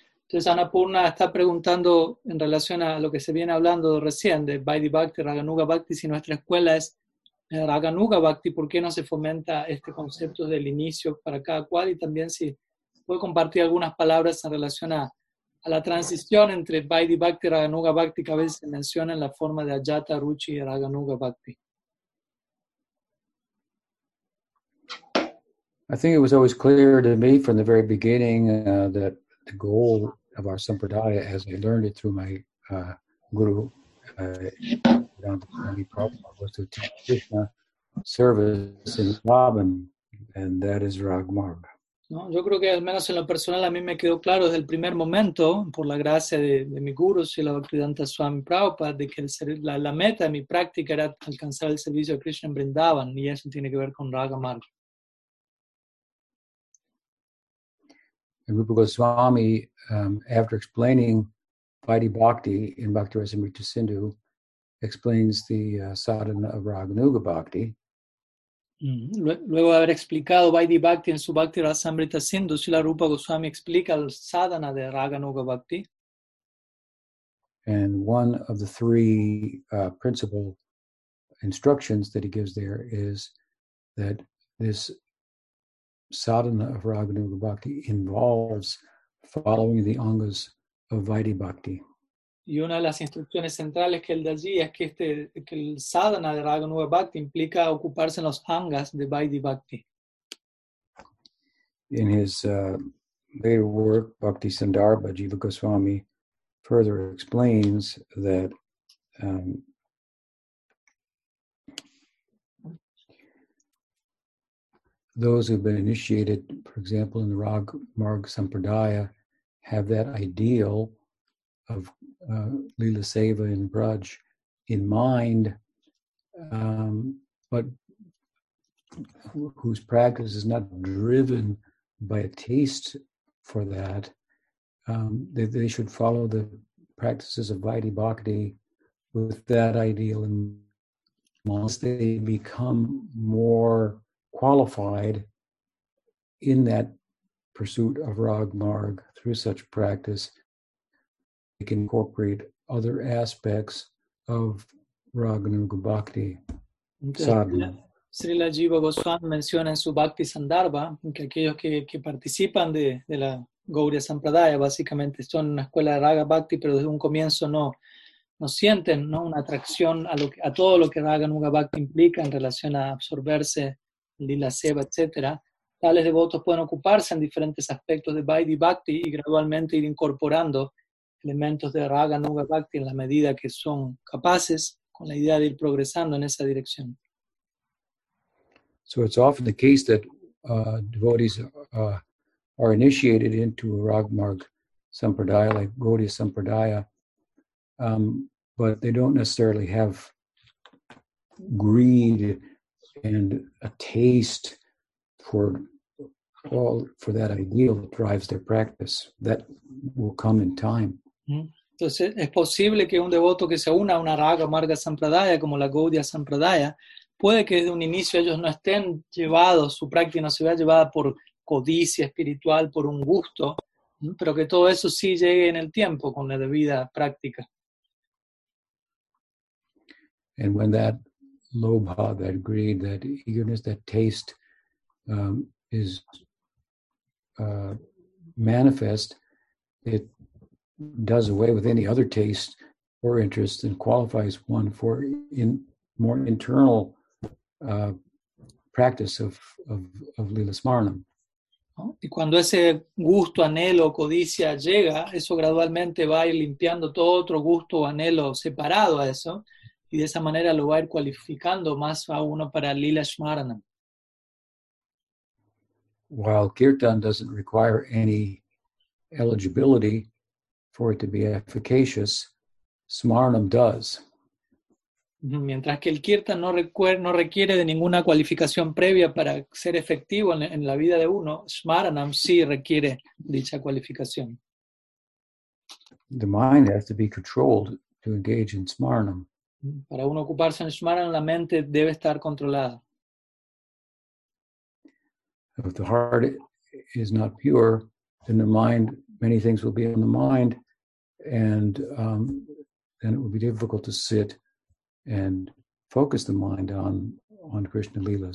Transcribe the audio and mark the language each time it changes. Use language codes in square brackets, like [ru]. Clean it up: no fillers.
[es] Entonces Annapurna está preguntando en relación a lo que se viene hablando recién de Vaidhi Bhakti, Raganuga Bhakti, si nuestra escuela es Raganuga Bhakti, ¿por qué no se fomenta este concepto del inicio para cada cual? Y también si puede compartir algunas palabras en relación a la transición entre Vaidhi Bhakti y Raganuga Bhakti, que a veces se menciona en la forma de Ajata Ruchi y Raganuga Bhakti. [en] I think it was always clear to me from the very beginning that the goal of our sampradaya, as I learned it through my guru, was to teach Krishna service in Vrindavan, and that is Ragmarg. [es] No, yo creo que al menos en lo personal a mí me quedó claro desde el primer momento, por la gracia de mi guru, Srila Bhaktivedanta Swami Prabhupada, de que la meta de mi práctica era alcanzar el servicio de Krishna en Vrindavan, y eso tiene que ver con Ragmarg. [en] And Rupa Goswami, after explaining Vaidhi Bhakti in Bhakti Rasamrita Sindhu, explains the sadhana of Raganuga Bhakti. [es] Luego de haber explicado Vaidhi Bhakti en su Bhakti Rasamrita Sindhu, Srila Rupa Goswami explica el sadhana de Raganuga Bhakti. [en] And one of the three principal instructions that he gives there is that this sadhana of Raganuga Bhakti involves following the angas of Vaidhi Bhakti. [es] Y una de las instrucciones centrales que él da allí es que el sadhana de Raganuga Bhakti implica ocuparse en los angas de Vaidhi Bhakti. [en] In his later work, Bhakti Sandarbha, Jiva Goswami further explains that those who've been initiated, for example, in the Rag Marg Sampradaya, have that ideal of Lila Seva in Braj in mind, but whose practice is not driven by a taste for that, they should follow the practices of Vaidhi Bhakti with that ideal in mind. Once they become more qualified in that pursuit of Rag Marg through such practice, they can incorporate other aspects of Raganuga Bhakti sadhana. [es] Srila Jiva Goswami menciona en su Bhakti Sandarbha que aquellos que participan de la Gaudiya Sampradaya básicamente son una escuela de Raga Bhakti, pero desde un comienzo no sienten, ¿no?, una atracción a todo lo que Raganuga Bhakti implica en relación a absorberse Lila Seva, etc. tales devotos pueden ocuparse en diferentes aspectos de Vaidhi Bhakti y gradualmente ir incorporando elementos de Raga Nuga Bhakti en la medida que son capaces, con la idea de ir progresando en esa dirección. [en] So it's often the case that devotees are initiated into a Ragmarg Sampradaya, like Gaudiya Sampradaya, but they don't necessarily have greed and a taste for that ideal that drives their practice. That will come in time. [es] Entonces, es posible que un devoto que se una a una Raga Marga Sampradaya como la Gaudiya Sampradaya, puede que desde un inicio ellos no estén llevados, su práctica no se vea llevada por codicia espiritual, por un gusto, pero que todo eso sí llegue en el tiempo con la debida práctica. [en] And when that lobha, that greed, that eagerness, that taste is manifest, it does away with any other taste or interest and qualifies one for in more internal practice of Lila Smaranam. [es] Y cuando ese gusto, anhelo, codicia llega, eso gradualmente va a ir limpiando todo otro gusto o anhelo separado a eso, y de esa manera lo va a ir cualificando más a uno para Lila Smaranam. [en] While kirtan doesn't require any eligibility for it to be efficacious, Smaranam does. [es] Mientras que el kirtan no requiere de ninguna cualificación previa para ser efectivo en la vida de uno, Smaranam sí requiere dicha cualificación. [en] The mind has to be controlled to engage in Smaranam. [es] Para uno ocuparse en Smaranam, la mente debe estar controlada. [en] If the heart is not pure, then the mind, many things will be on the mind, and then it will be difficult to sit and focus the mind on Krishna Lila.